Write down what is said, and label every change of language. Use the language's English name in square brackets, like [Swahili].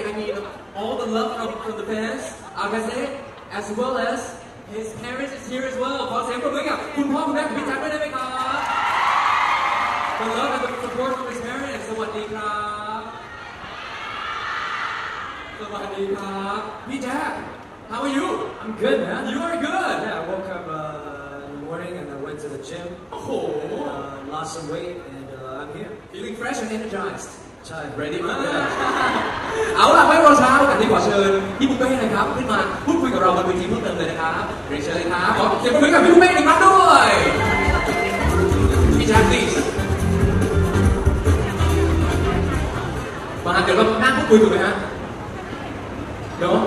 [English] I mean, all the love from the fans, Akase, as well as his parents is here as well. [Thai] ขอเสียงปรบมือกับคุณพ่อคุณแม่ของพี่แจ็คด้วยได้ไหมครับ [English] The love and the support from his parents. [Thai] สวัสดีครับ สวัสดีครับ พี่แจ็ค [English] How are you? I'm good, man. You are good. Yeah, I woke up in the morning and I went to the gym. Oh. Lost some weight and I'm here. Feeling fresh and energized. [Thai] ใช่ ready มาเอาล่ะไม่รอช้าแต่ดีกว่าเชิญพี่บุ้งเบ้นะครับขึ้นมาพูดคุยกับเราบนเวทีเพิ่มเติมเลยนะครับเรียนเชิญเลยครับขอเสียงปรบมือกับพี่บุ้งเบ้นอีกครั้งด้วยพี่ชาติมาเดี๋ยวเรานั่งพูดคุยกันไหมฮะเดี๋ยว